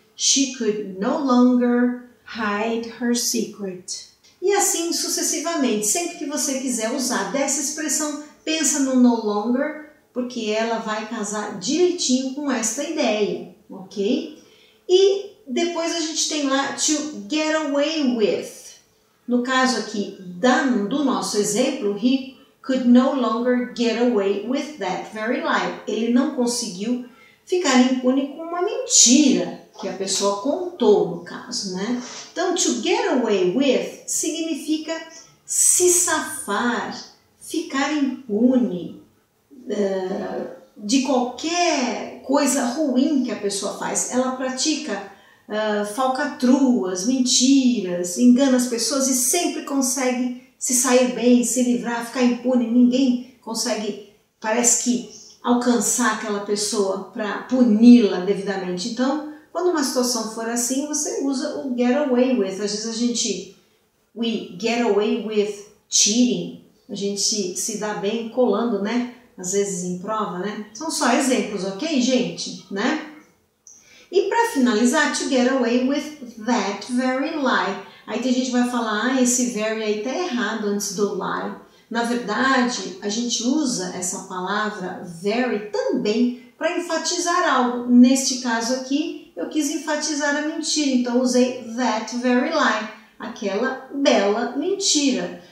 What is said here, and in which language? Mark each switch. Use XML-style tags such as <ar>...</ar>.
<en>She could no longer hide her secret.</en> <pt>E assim sucessivamente, sempre que você quiser usar dessa expressão, pensa no no longer, porque ela vai casar direitinho com esta ideia, ok? E depois a gente tem lá to get away with. No caso aqui, do nosso exemplo,</pt> <en>he could no longer get away with that very lie.</en> <pt>Ele não conseguiu ficar impune com uma mentira que a pessoa contou, no caso, né? Então, to get away with significa se safar, ficar impune de qualquer coisa ruim que a pessoa faz. Ela pratica falcatruas, mentiras, engana as pessoas e sempre consegue se sair bem, se livrar, ficar impune. Ninguém consegue, parece que, alcançar aquela pessoa para puni-la devidamente. Então, quando uma situação for assim, você usa o get away with. Às vezes a gente,</pt> <en>we get away with cheating.</en> <pt>A gente se dá bem colando, né? Às vezes em prova, né? São só exemplos, ok, gente? Né? E para finalizar, to get away with that very lie. Aí tem gente que vai falar, ah, esse very aí tá errado antes do lie. Na verdade, a gente usa essa palavra very também para enfatizar algo. Neste caso aqui, eu quis enfatizar a mentira, então usei that very lie, aquela bela mentira.</pt>